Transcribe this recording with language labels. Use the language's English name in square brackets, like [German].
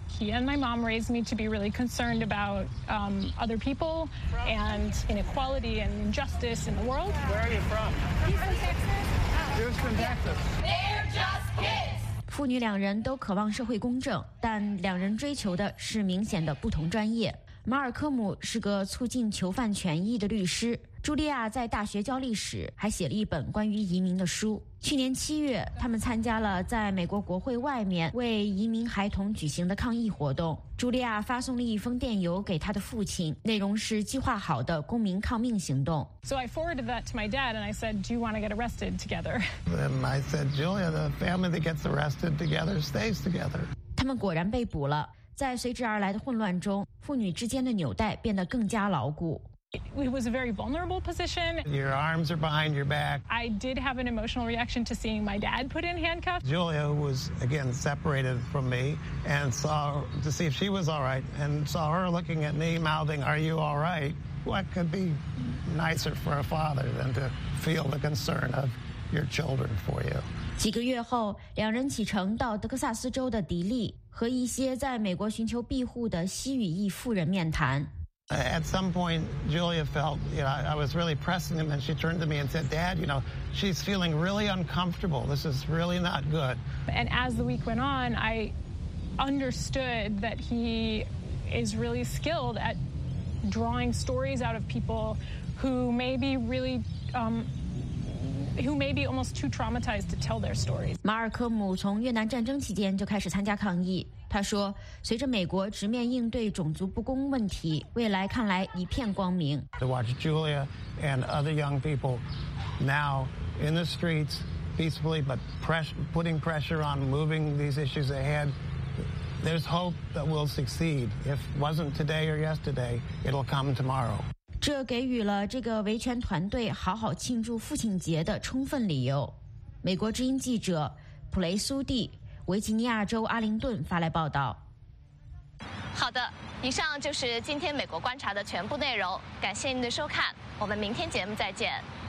[English] He and my mom raised me to be really concerned about other people and inequality and injustice in the world. Where are you from? Houston, Texas. They're just kids. [Chinese] 父女两人都渴望社会公正，但两人追求的是明显的不同专业。马尔科姆是个促进囚犯权益的律师，茱莉亚在大学教历史，还写了一本关于移民的书。去年七月，他们参加了在美国国会外面为移民孩童举行的抗议活动。茱莉亚发送了一封电邮给他的父亲，内容是计划好的公民抗命行动。 [English] So I forwarded that to my dad and I said, do you want to get arrested together? And I said, Julia, the family that gets arrested together stays together. [Chinese] 他们果然被捕了。在随之而来的混乱中，妇女之间的纽带变得更加牢固。 [English] It was a very vulnerable position. Your arms are behind your back. I did have an emotional reaction to seeing my dad put in handcuffs. Julia was again separated from me and saw to see if she was all right and saw her looking at me mouthing, are you all right? What could be nicer for a father than to feel the concern of your children for you? [Chinese] 几个月后，两人启程到德克萨斯州的迪利，和一些在美国寻求庇护的西语裔妇人面谈。 [English] At some point, Julia felt, you know, I was really pressing him, and she turned to me and said, Dad, you know, she's feeling really uncomfortable. This is really not good. And as the week went on, I understood that he is really skilled at drawing stories out of people who may be really, almost too traumatized to tell their stories. [Chinese] 马尔科姆从越南战争期间就开始参加抗议。他说，随着美国直面应对种族不公问题，未来看来一片光明。 [English] To watch Julia and other young people now in the streets peacefully, but putting pressure on moving these issues ahead, there's hope that we'll succeed. If it wasn't today or yesterday, it'll come tomorrow. [Chinese] 这给予了这个维权团队好好庆祝父亲节的充分理由。美国之音记者普雷苏蒂，维吉尼亚州阿灵顿发来报道。好的，以上就是今天美国观察的全部内容，感谢您的收看，我们明天节目再见。